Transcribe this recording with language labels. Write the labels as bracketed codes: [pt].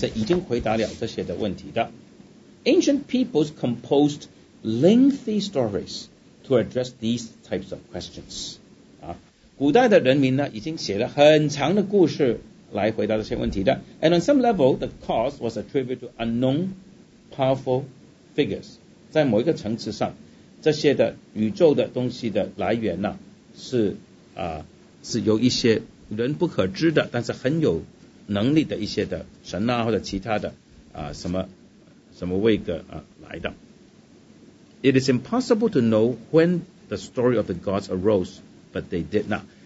[zh] 生活在这种的文化的传统里面是已经回答了这些的问题的。 [en] Ancient peoples composed lengthy stories to address these types of questions. [zh] 古代的人民呢已经写了很长的故事来回答这些问题的。 [en] And on some level, the cause was attributed to unknown powerful figures. [zh] 在某一个层次上，这些的宇宙的东西的来源呢，是有一些人不可知的，但是很有能力的一些的神啊，或者其他的什么位格来的。 [en] It is impossible to know when the story of the gods arose, but they did not.